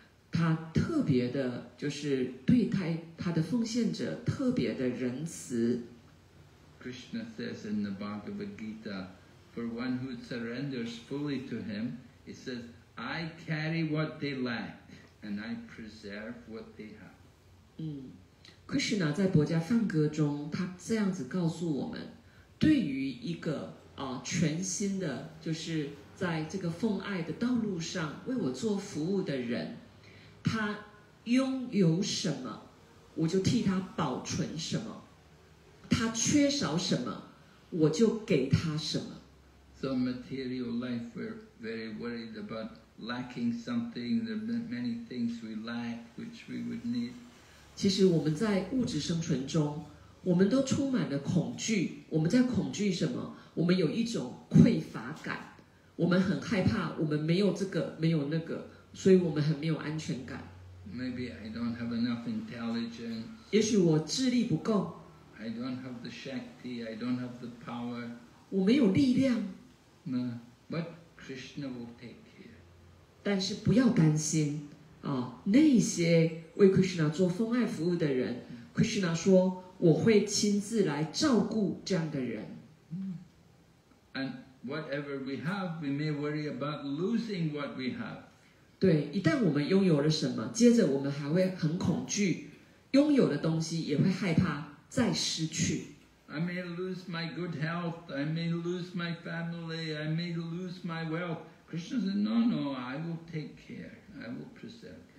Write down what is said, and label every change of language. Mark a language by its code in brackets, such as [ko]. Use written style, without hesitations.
[zh] 他特别的就是对待他的奉献者特别的仁慈。 [en] Krishna says in the Bhagavad Gita, for one who surrenders fully to him, he says, I carry what they lack, and I preserve what they have. [zh] Krishna 在薄伽梵歌中他这样子告诉我们，对于一个全新的就是在这个奉爱的道路上为我做服务的人，他拥有什么我就替他保存什么，他缺少什么我就给他什么。 [en] So material life, we're very worried about lacking something. There are many things we lack which we would need. [zh] 其实我们在物质生存中我们都充满了恐惧，我们在恐惧什么？我们有一种匮乏感，我们很害怕我们没有这个没有那个，所以我们很没有安全感。 [en] Maybe I don't have enough intelligence. [zh] 也许我智力不够。 [en] I don't have the shakti, I don't have the power. [zh] 我没有力量。 [en] But Krishna will take care. [zh] 但是不要担心啊，那些为 Krishna 做奉爱服务的人，Krishna 说我会亲自来照顾这样的人。 [en] And whatever we have, we may worry about losing what we have. [zh] 对，一旦我们拥有了什么，接着我们还会很恐惧，拥有的东西也会害怕再失去。 [en] I may lose my good health, I may lose my family, I may lose my wealth. Krishna said, no, no, I will take care, I will preserve.